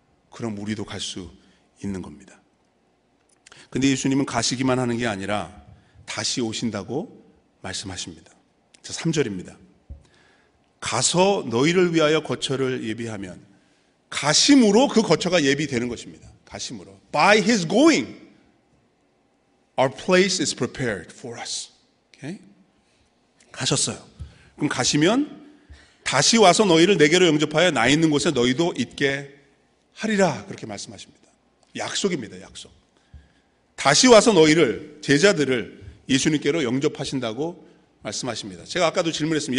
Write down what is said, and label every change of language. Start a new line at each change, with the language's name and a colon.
Korean: 그럼 우리도 갈 수 있는 겁니다. 근데 예수님은 가시기만 하는 게 아니라 다시 오신다고 말씀하십니다. 자, 3절입니다. 가서 너희를 위하여 거처를 예비하면 가심으로 그 거처가 예비되는 것입니다. 가심으로.
English: By his going, our place is prepared for us.
Korean: Okay? 가셨어요. 그럼 가시면 다시 와서 너희를 내게로 영접하여 나 있는 곳에 너희도 있게 하리라. 그렇게 말씀하십니다. 약속입니다. 약속. 다시 와서 너희를, 제자들을 예수님께로 영접하신다고 말씀하십니다. 제가 아까도 질문했습니다.